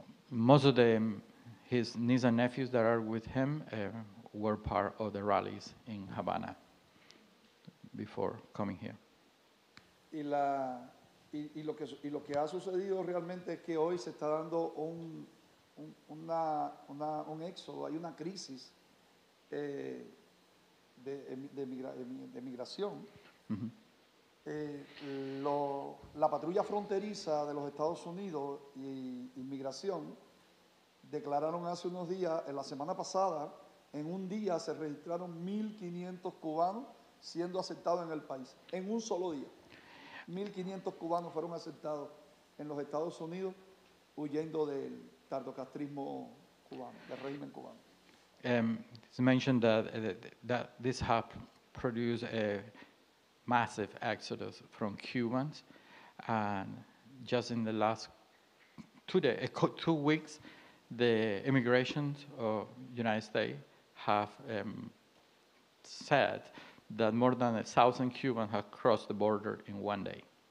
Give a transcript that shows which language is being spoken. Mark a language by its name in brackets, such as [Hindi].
[English] Most of the, his nieces and nephews that are with him were part of the rallies in Havana before coming here. [Spanish] Y lo que ha sucedido realmente es que hoy se está dando un éxodo, hay una crisis de migración. Mm-hmm. La patrulla fronteriza de los Estados Unidos y inmigración declararon hace unos días, en la semana pasada, en un día se registraron 1,500 cubanos siendo aceptados en el país, en un solo día. 1,500 cubanos fueron aceptados en los Estados Unidos huyendo del tardocastrismo cubano, del régimen cubano. [English] It's mentioned that this has produced a massive exodus from Cubans, and just in the last 2 weeks, the immigration of United States have said that more than 1,000 Cubans have crossed the border in one day.